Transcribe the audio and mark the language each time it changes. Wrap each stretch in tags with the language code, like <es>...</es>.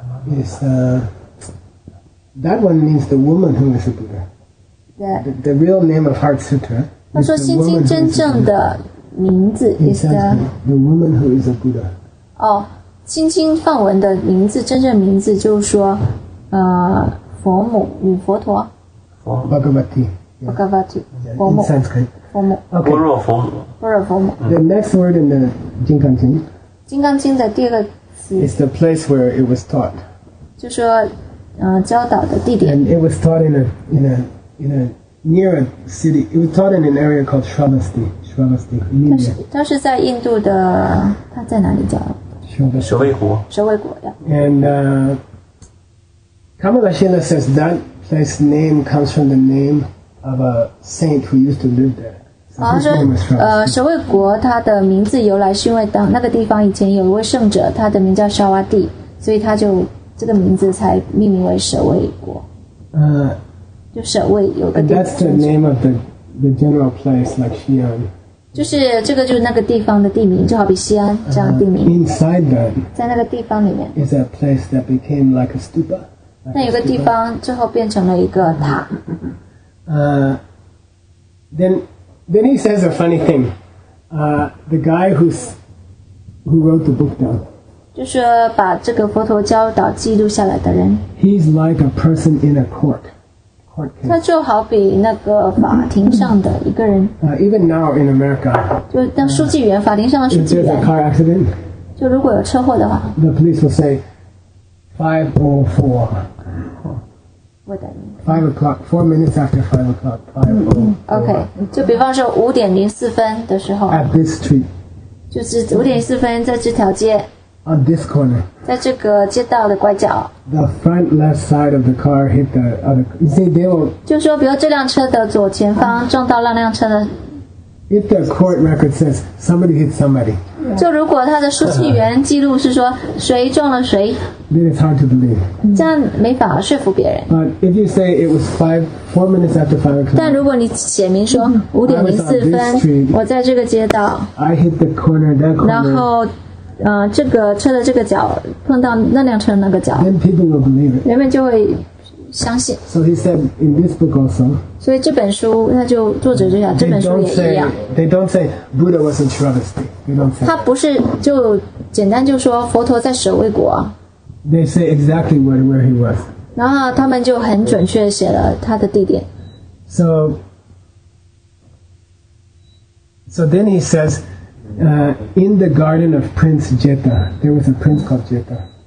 <en>Yes, that one means the woman who is a Buddha. The real name of Heart Sutra.</en> <zh>他说心经真正的名字 is</zh> <en>the woman who is a Buddha.</en> <zh>哦。心经梵文的名字，真正名字就是说，佛母，与佛陀。</zh> <sa>Bhagavati.</sa> <zh>Bhagavati. 佛母。</zh> <en>In Sanskrit.</en> <zh>佛母。般若佛母。般若佛母。</zh> <en>The next word in the 金刚经。</en> <zh>金刚经的第二个词。</zh> <en>Is the place where it was taught.</en> <zh>就说，教导的地点。</zh> <en>And it was taught in a near a city. It was taught in an area called Shravasti. Shravasti.</en> <zh>它是在印度的，它在哪里教？</zh> <en>舍卫国，舍卫国 And Kamala Shila says that place name comes from the name of a saint who used to live there.</en> <zh>舍卫国他的名字由来是因为那个地方以前有一位圣者，他的名叫沙瓦蒂，所以他就这个名字才命名为舍卫国。就舍卫有个地方。</zh> <en>That's the name of the general place, like Xi'an.</en> <zh>就是这个，就是那个地方的地名，就好比西安这样的地名。</zh> <en>Inside that,</en> <zh>在那个地方里面</zh> <en>is a place that became like a stupa.</en> <zh>那有个地方之后变成了一个塔。</zh> <en>Then he says a funny thing. The guy who wrote the book down.</en> <zh>就是把这个佛陀教导记录下来的人。</zh> <en>He's like a person in a court.</en> <zh>他就好比那个法庭上的一个人。</zh> <en>Even now in America,</en> <zh>就当书记员，法庭上的书记员。</zh> <en>If there's a car accident,</en> <zh>就如果有车祸的话</zh> <en>，the police will say 5:04. What? Five o'clock, 4 minutes after 5 o'clock.</en> <zh>Okay, 就比方说5:04的时候。</zh> <en>At this street.</en> <zh>就是5:04在这条街。</zh> <en>On this corner.</en> <zh>在这个街道的拐角。</zh> <en>The front left side of the car hit the other. You see, they will.</en> <zh>就说，比如这辆车的左前方撞到那辆车的。</zh> <en>If the court record says somebody hit somebody.</en> <zh>就如果他的书记员记录是说谁撞了谁。</zh> <en>Then it's hard to believe.</en> <zh>这样没法说服别人。</zh> <en>But if you say it was four minutes after 5 o'clock.</en> <zh>但如果你写明说5:04，我在这个街道。</zh> <en>I hit the corner that corner.</en> <zh>然后。这个车的这个角碰到那辆车的那个角</zh> <en>Then people will believe it.</en> <zh>人们就会相信</zh> <en>So he said in this book also</en> <zh>所以这本书那就作者就讲这本书也一样</zh> <en>They don't say Buddha was in Shravasti They don't say</en> <zh>他不是就简单就说佛陀在舍卫国</zh> <en>They say exactly where he was</en> <zh>然后他们就很准确写了他的地点</zh> <en>So then he saysin the garden of Prince Jetha, there was a prince called Jetha.</en>